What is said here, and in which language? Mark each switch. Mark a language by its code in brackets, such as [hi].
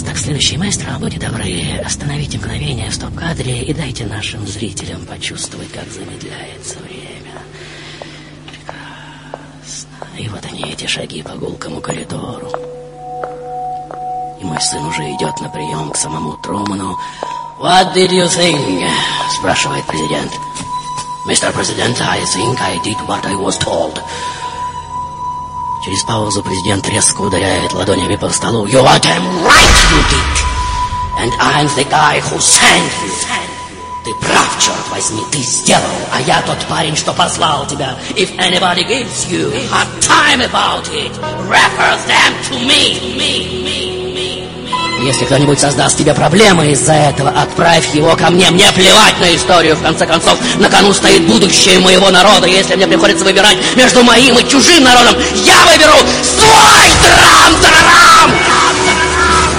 [ru] Так, следующий, маэстро, будьте добры, остановите мгновение в стоп-кадре и дайте нашим зрителям почувствовать, как замедляется время. Прекрасно. И вот они, эти шаги по гулкому коридору. И мой сын уже идет на прием к самому Труману. [en] «What did you think?» [ru] — спрашивает президент. [en] Mr. President, I think I did what I was told. [ru] Через паузу президент резко ударяет ладонями по столу. [en] You are damn right, you did. And I'm the guy who sent you. [ru] Ты прав, черт возьми, ты сделал. А я тот парень, что послал тебя. [en] If anybody gives you a time about it, refer them to me. [ru] Если кто-нибудь создаст тебе проблемы из-за этого, отправь его ко мне. Мне плевать на историю, в конце концов. На кону стоит будущее моего народа. Если мне приходится выбирать между моим и чужим народом, я выберу свой драм-драм!